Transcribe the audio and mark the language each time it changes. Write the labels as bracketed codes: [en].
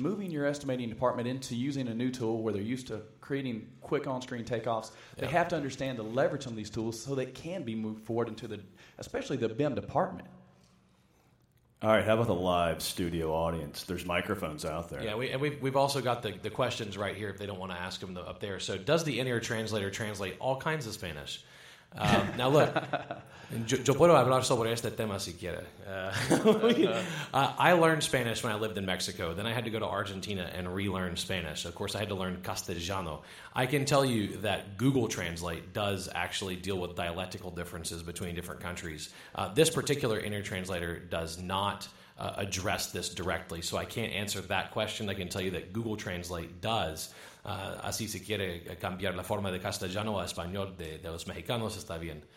[en] Moving your estimating department into using a new tool where they're used to creating quick on-screen takeoffs, they have to understand the leverage on these tools so they can be moved forward into especially the BIM department. All right, how about the live studio audience? There's microphones out there. Yeah, we've also got the questions right here if they don't want to ask them up there. So does the in-ear translator translate all kinds of Spanish? Now look, [es] yo puedo hablar sobre este tema si quiere. [en] I learned Spanish when I lived in Mexico. Then I had to go to Argentina and relearn Spanish. Of course, I had to learn Castellano. I can tell you that Google Translate does actually deal with dialectical differences between different countries. This particular in-ear translator does not address this directly, so I can't answer that question. I can tell you that Google Translate does. [es] Así se quiere cambiar la forma de castellano a español de los mexicanos, está bien.